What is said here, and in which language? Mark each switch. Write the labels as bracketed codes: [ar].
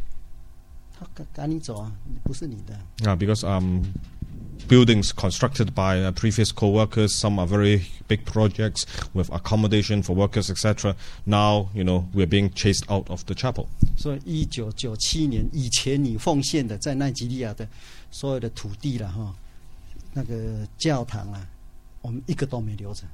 [zh] 看到以前传那边我们的工人去辛苦盖起来那有的很大那又有那个工人宿舍他赶你走啊不是你的 [en] Yeah, because buildings constructed by previous co-workers some are very big projects with accommodation for workers, etc. Now, you know, we're being chased out of the chapel. [zh] So 1997,以前你奉献的在奈及利亚的所有的土地啦,那个教堂啊,我们一个都没留着。